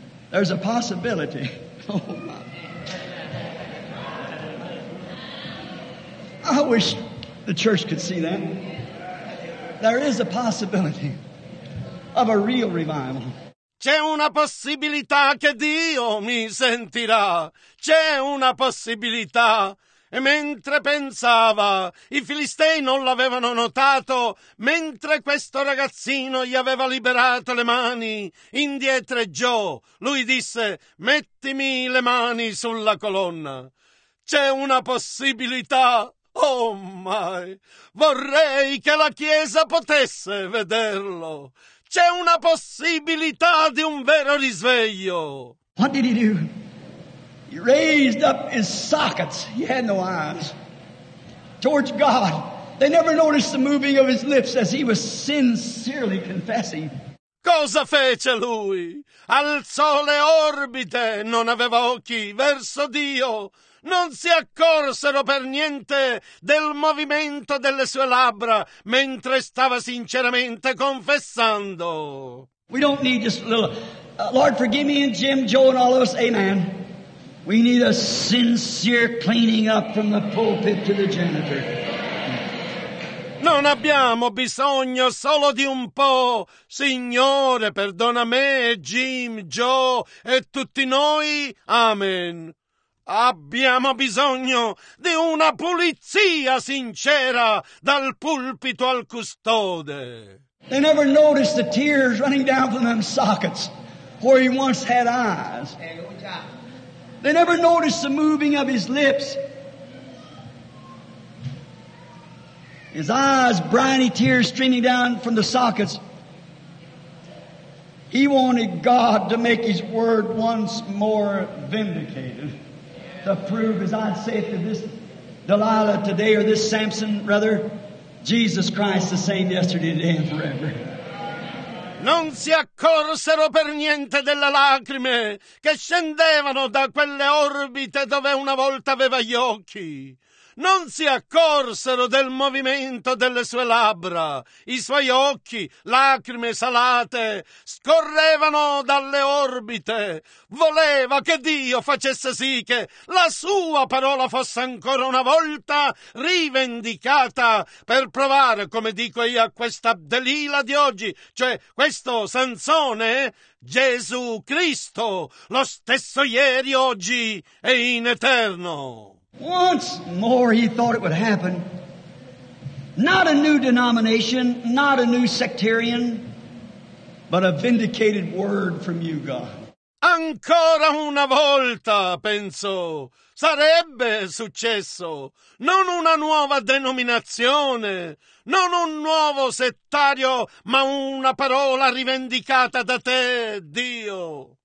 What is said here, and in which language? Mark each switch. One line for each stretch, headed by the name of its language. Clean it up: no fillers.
English: There's a possibility. Oh my. I wish the church could see that. There is a possibility of a real revival.
Italian: C'è una possibilità che Dio mi sentirà. C'è una possibilità. E mentre pensava, i Filistei non l'avevano notato, mentre questo ragazzino gli aveva liberato le mani, indietreggiò. Lui disse: mettimi le mani sulla colonna. C'è una possibilità.
English: Oh my,
Italian: vorrei che la Chiesa potesse vederlo. C'è una possibilità di un vero risveglio.
English: What did he do? He raised up his sockets. He had no arms. Towards God. They never noticed the moving of his lips as he was sincerely confessing.
Italian: Cosa fece lui? Alzò le orbite. Non aveva occhi verso Dio. Non si accorsero per niente del movimento delle sue labbra mentre stava sinceramente confessando.
English: We don't need just a little. Lord, forgive me and Jim, Joe and all of us. Amen. We need a sincere cleaning up from the pulpit to the janitor.
Italian: Non abbiamo bisogno solo di un po'. Signore, perdona me, Jim, Joe e tutti noi. Amen. Abbiamo bisogno di una pulizia sincera dal pulpito al custode.
English: They never noticed the tears running down from them sockets where he once had eyes. They never noticed the moving of his lips. His eyes, briny tears streaming down from the sockets. He wanted God to make his word once more vindicated. To prove, as I say to this Delilah today, or this Samson, rather, Jesus Christ the same yesterday, today, and forever.
Italian: Non si accorsero per niente delle lacrime che scendevano da quelle orbite dove una volta aveva gli occhi. Non si accorsero del movimento delle sue labbra. I suoi occhi, lacrime salate, scorrevano dalle orbite. Voleva che Dio facesse sì che la sua parola fosse ancora una volta rivendicata per provare, come dico io a questa Delilah di oggi, cioè questo Sansone, Gesù Cristo, lo stesso ieri, oggi e in eterno.
English: Once more he thought it would happen. Not a new denomination, not a new sectarian, but a vindicated word from you, God.
Italian: Ancora una volta, pensò, sarebbe successo. Non una nuova denominazione, non un nuovo settario, ma una parola rivendicata da te, Dio.